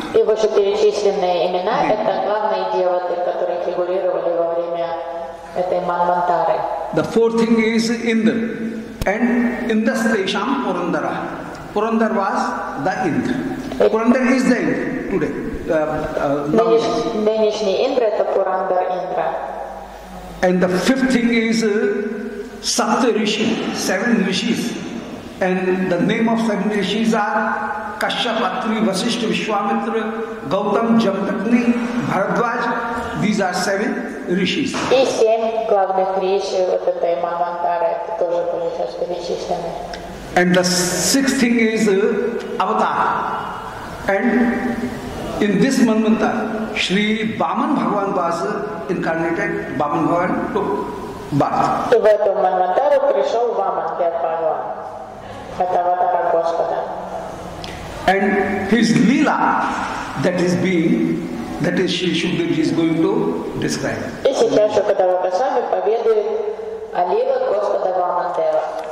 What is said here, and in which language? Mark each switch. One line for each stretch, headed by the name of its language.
Russian: И ваши перечисленные имена – это главные девоты, которые фигурировали во время этой манвантары.
English: The fourth thing is Indra and Indastesha Purandara. Purandara was the Indra. Purandara is the Indra today.
Russian: Нынешний Индра – это Пурандар Индра.
English: And the fifth thing is Sapta Rishi, seven Rishis. And the name of seven Rishis are Kashyap, Atri, Vasishtha, Vishwamitra, Gautam, Jamdagni, Bharadvaj. These are seven Rishis.
Russian: И семь главных Риши, вот это и Манвантара, это тоже были сейчас перечислены.
English: And the sixth thing is Avatar. And in this Manvantara, Shri Vaman Bhagavan was incarnated, Vaman Bhagavan took birth.
Russian: И в эту манвантару пришел Ваман, Дед Бхагаван, это аватара Господа.
English: And his лила, that is Shri Shukdevji is going to describe.
Russian: И сейчас Шукадева Госвами поведает о лилах Господа Ваманадева.